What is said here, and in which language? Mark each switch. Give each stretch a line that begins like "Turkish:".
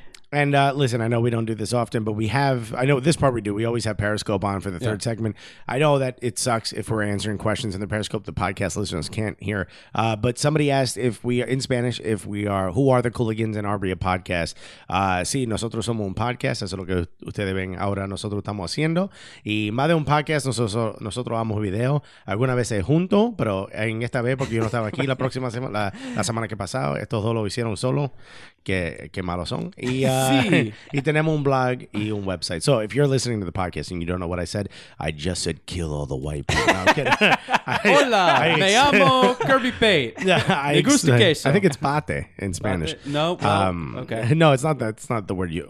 English: And listen, I know we don't do this often, but we always have Periscope on for the third segment. I know that it sucks if we're answering questions in the Periscope the podcast listeners can't hear. But somebody asked who are the Cooligans and are we a podcast?
Spanish: Sí, nosotros somos un podcast. Eso es lo que ustedes ven ahora nosotros estamos haciendo. Y más de un podcast, nosotros vamos video. Alguna vez junto, pero en esta vez, porque yo no estaba aquí la semana que pasado, estos dos lo hicieron solo. que malos son. Y tenemos un blog y un website.
English: So if you're listening to the podcast and you don't know what I said, I just said kill all the white people.
Spanish: No, hola, me llamo Kirby Pate. Me gusta queso.
English: I think it's pate in Spanish. No, nope. Okay. No, it's not that. It's not the word you.